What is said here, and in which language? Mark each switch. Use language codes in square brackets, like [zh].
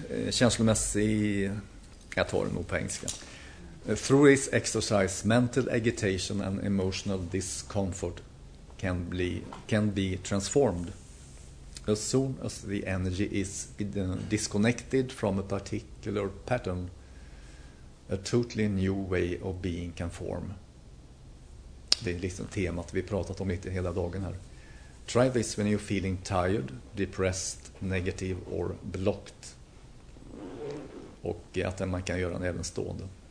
[sv] känslomässig, jag tar det nog på engelska. [en] Through this exercise, mental agitation and emotional discomfort can be transformed as soon as the energy is disconnected from a particular pattern, a totally new way of being can form. [sv] Det är liksom temat vi pratat om lite hela dagen här. [en] Try this when you're feeling tired, depressed, negative or blocked. [sv] Och att man kan göra den även stående.